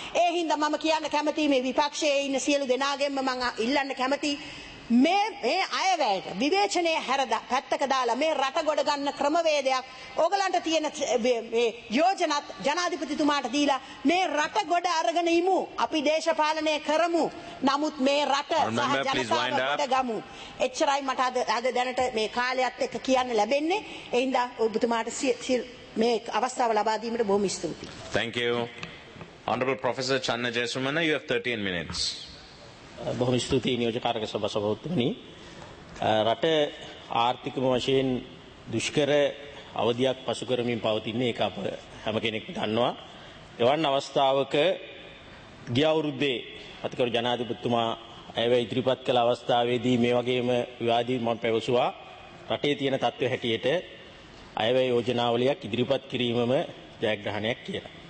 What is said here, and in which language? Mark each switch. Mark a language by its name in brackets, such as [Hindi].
[Sinhala] ඒ හින්දා මම කියන්න කැමති මේ විපක්ෂයේ ඉන්න සියලු දෙනාගෙන්ම මම ඉල්ලන්න කැමති මේ අයවැයට විවේචනයේ හැරද පැත්තක දාලා මේ රට ගොඩ ගන්න ක්‍රමවේදයක් ඕගලන්ට තියෙන මේ යෝජනත් ජනාධිපතිතුමාට දීලා මේ රට ගොඩ අරගෙන ඉමු. අපි දේශපාලනය කරමු. නමුත් මේ රට සහ ජනතාව ගොඩ ගමු. එච්චරයි මට අද දැනට මේ කාලයත් එක්ක කියන්න ලැබෙන්නේ. එහින්දා ඔබතුමාට මේ අවස්ථාව ලබා දීමට බොහොම ස්තුතියි. [English] Thank you. Honorable Professor Channa Jayasumana, you have 13 minutes. [Sinhala] බොහොම ස්තුතියි නියෝජකාරක සභා සභාපතිනි. රට ආර්ථික වශයෙන් දුෂ්කර අවධියක් පසු කරමින් පවතින එක අප හැම කෙනෙක්ම දන්නවා. එවන් අවස්ථාවක ගිය අවුරුද්දේ අතිකරු ජනාධිපතිතුමා අයවැය ඉදිරිපත් කළ අවස්ථාවේදී මේ වගේම විවාදී මම පැවසුවා රටේ තියෙන තත්ත්ව හැටියට අයවැය යෝජනාවලියක් ඉදිරිපත් කිරීමම ජයග්‍රහණයක් කියලා.